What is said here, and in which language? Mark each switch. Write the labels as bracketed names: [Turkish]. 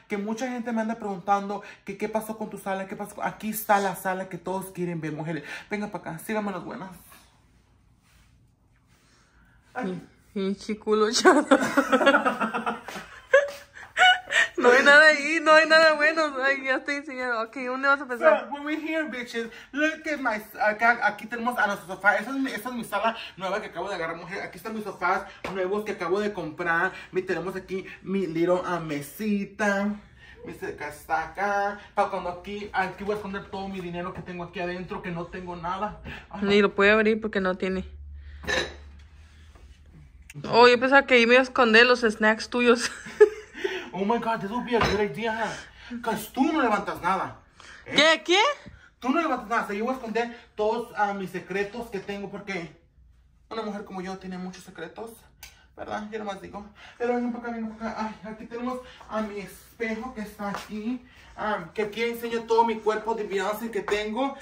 [Spanish] Que mucha gente me anda preguntando que qué pasó con tu sala. ¿Qué pasó? Aquí está la sala que todos quieren ver, mujeres. Venga para acá. Síganme las buenas. Pinche culo chato. No hay nada ahí, no hay nada bueno. Ay, ya estoy enseñando. Ok, ¿dónde vas a empezar? [English] So, when we're here, bitches, look at my... [Spanish] Acá, aquí tenemos a nuestro sofá. Esa es mi sala nueva que acabo de agarrar, mujer. Aquí están mis sofás nuevos que acabo de comprar. Tenemos aquí mi little mesita. Mi cerca está acá. Para cuando aquí voy a esconder todo mi dinero que tengo aquí adentro, que no tengo nada. Ni lo puede abrir porque no tiene... Oh, yo pensaba que iba a esconder los snacks tuyos. [English] Oh my god, this would be a good idea, huh? [Spanish] Cause tú no levantas nada. ¿Qué? ¿Qué? Tú no levantas nada, so yo voy a esconder todos mis secretos que tengo porque una mujer como yo tiene muchos secretos, ¿verdad? Yo nomás digo. Pero ven para acá, ven para acá. Ay, aquí tenemos a mi espejo que está aquí. Que aquí enseño todo mi cuerpo de fiance que tengo.